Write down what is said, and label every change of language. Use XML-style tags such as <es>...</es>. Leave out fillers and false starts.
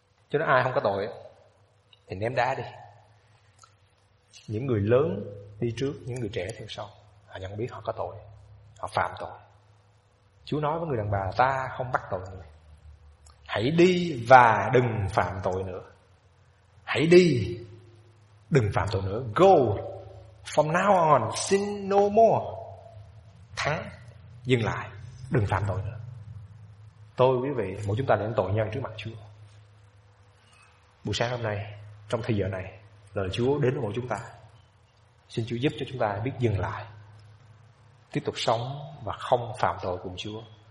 <vi>Chúa nói ai không có tội thì ném đá đi. Những người lớn đi trước, những người trẻ theo sau, họ nhận biết họ có tội, họ phạm tội. Chúa nói với người đàn bà là ta không bắt tội người, hãy đi và đừng phạm tội nữa. Hãy đi, đừng phạm tội nữa.</vi> <en>Go, from now on, sin no more.</en> <vi>Thắng, dừng lại, đừng phạm tội nữa. Tôi quý vị, mỗi chúng ta là những tội nhân trước mặt Chúa. Buổi sáng hôm nay, trong thời giờ này, lời Chúa đến với mỗi chúng ta. Xin Chúa giúp cho chúng ta biết dừng lại, tiếp tục sống và không phạm tội cùng Chúa.</vi>